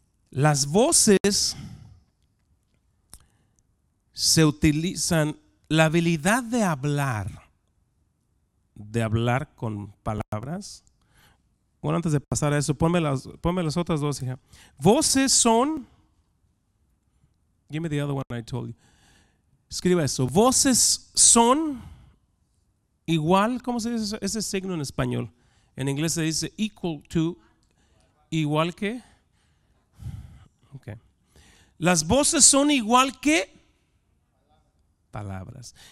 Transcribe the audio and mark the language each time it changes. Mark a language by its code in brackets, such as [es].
[es] Las voces se utilizan, la habilidad de hablar con palabras. Bueno, antes de pasar a eso, ponme las otras dos, hija. Voces son, [en] give me the other one I told you. [es] Escriba eso. Voces son igual, ¿cómo se dice ese signo en español? En inglés se dice [en] equal to, [es] igual que. Okay. Las voces son igual que palabras.